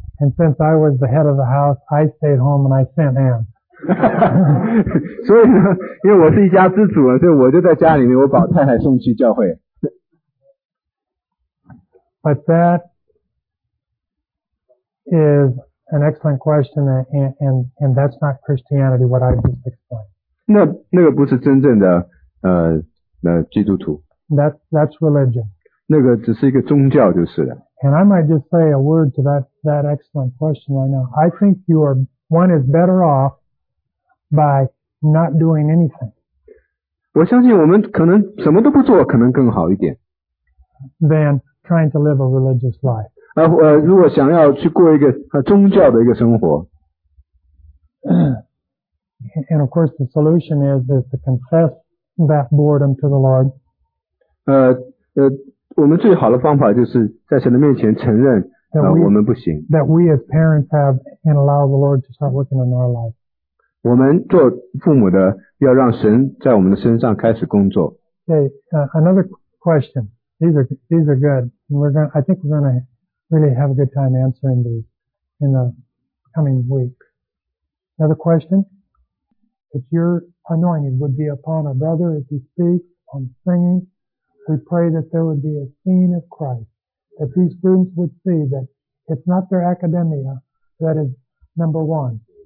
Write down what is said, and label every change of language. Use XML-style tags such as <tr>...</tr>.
<en>And since I was the head of the house, I stayed home and I sent Ann.</en> <zh>所以呢，因为我是一家之主，所以我就在家里面，我把太太送去教会。</zh> <en>But that is an excellent question, and that's not Christianity, what I just explained.</en> <zh>那个不是真正的基督徒。</zh> <en>That's religion.</en> <zh>那个只是一个宗教就是了。</zh> <en>And I might just say a word to that excellent question right now. I think you are, one is better off by not doing anything.</en> <zh>我相信我们可能什么都不做可能更好一点。</zh> <en>Than trying to live a religious life.</en> <zh>如果想要去过一个宗教的一个生活。</zh> <en>And of course the solution is to confess that boredom to the Lord.</en> <zh>我们最好的方法就是在神的面前承认 我们不行。</zh> <en>That we as parents have and allow the Lord to start working in our life.</en> <zh>我们做父母的要让神在我们的身上开始工作。</zh> <en>Okay, another question. These are good. I think we're going to really have a good time answering these in the coming week. Another question? If your anointing would be upon a brother as he speaks on singing, we pray that there would be a scene of Christ, that these students would see that it's not their academia that is number one.</en>